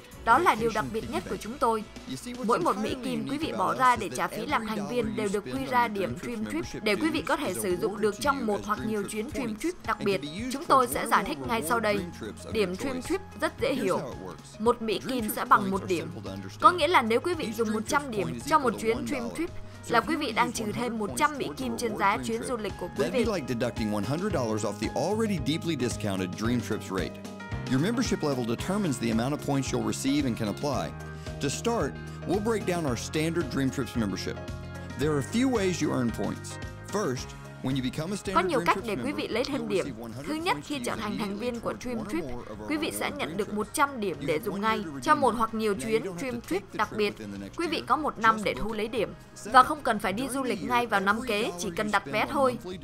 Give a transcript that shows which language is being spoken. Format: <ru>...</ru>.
<vi>Đó là điều đặc biệt nhất của chúng tôi. Mỗi một Mỹ Kim quý vị bỏ ra để trả phí làm thành viên đều được quy ra điểm Dream Trip để quý vị có thể sử dụng được trong một hoặc nhiều chuyến Dream Trip đặc biệt. Chúng tôi sẽ giải thích ngay sau đây. Điểm Dream Trip rất dễ hiểu. Một Mỹ Kim sẽ bằng một điểm. Có nghĩa là nếu quý vị dùng 100 điểm cho một chuyến Dream Trip, là quý vị đang trừ thêm 100 Mỹ Kim trên giá chuyến du lịch của quý vị.</vi> <en>That'd be like deducting $100 off the already deeply discounted Dream Trips rate. Your membership level determines the amount of points you'll receive and can apply. To start, we'll break down our standard Dream Trips membership. There are a few ways you earn points. First, when you become a standard</en> <vi>Dream Trips member, có nhiều cách để quý vị lấy thêm điểm. Thứ nhất, khi trở thành thành viên của Dream Trip, quý vị sẽ nhận được 100 điểm để dùng ngay cho một hoặc nhiều chuyến Dream Trip đặc biệt. Quý vị có một năm để thu lấy điểm và không cần phải đi du lịch ngay vào năm kế, chỉ cần đặt vé thôi.</vi>